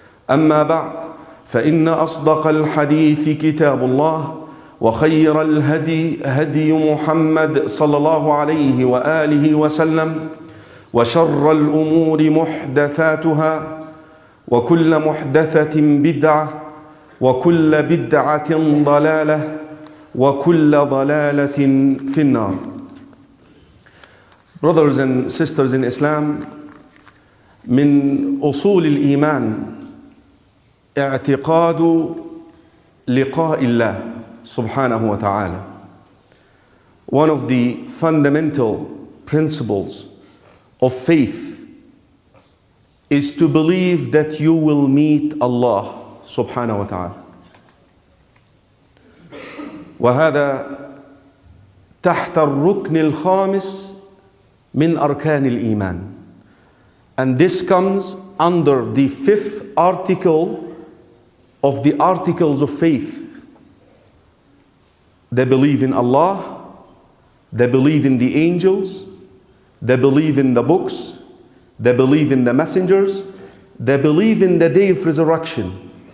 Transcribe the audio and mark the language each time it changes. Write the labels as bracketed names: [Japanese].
[Arabic] أما بعد، فإن أصدق الحديث كتاب الله، وخير الهدي هدي محمد صلى الله عليه وآله وسلم، وشر الأمور محدثاتها، وكل محدثة بدعة، وكل بدعة ضلالة، وكل ضلالة في النار. [English] Brothers and sisters in Islam, [Arabic] من أصول الإيمان اعتقاد لقاء الله سبحانه وتعالى. [English] One of the fundamental principles of faith is to believe that you will meet Allah سبحانه وتعالى. [Arabic] وهذا تحت الركن الخامس من أركان الإيمان. [English] And this comes under the fifth article of the articles of faith. They believe in Allah, they believe in the angels, they believe in the books, they believe in the messengers, they believe in the day of resurrection.